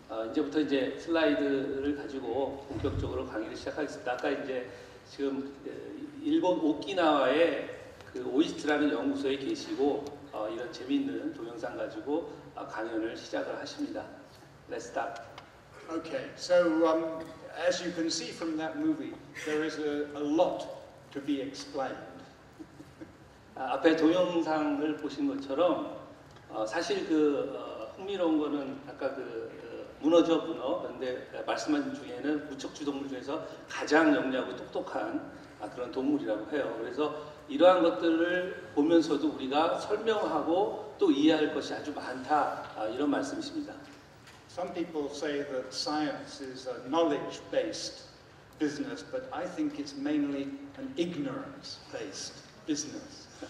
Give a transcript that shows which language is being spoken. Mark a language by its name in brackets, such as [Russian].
[Korean] 이제부터 이제 슬라이드를 가지고 본격적으로 강의를 시작하겠습니다. 아까 이제 지금 일본 오키나와의 그 OIST라는 연구소에 계시고 이런 재미있는 동영상 가지고 강연을 시작을 하십니다. [English] Let's start. Okay, so as you can see from that movie, there is a lot to be explained. [Korean] 앞에 동영상을 보신 것처럼 사실 그 흥미로운 거는 아까 그 문어죠 문어. 그런데 말씀하신 중에는 무척추 동물 중에서 가장 영리하고 똑똑한 그런 동물이라고 해요. 그래서 이러한 것들을 보면서도 우리가 설명하고 또 이해할 것이 아주 많다 이런 말씀이십니다. [English] Some people say that science is a knowledge-based business, but I think it's mainly an ignorance-based business.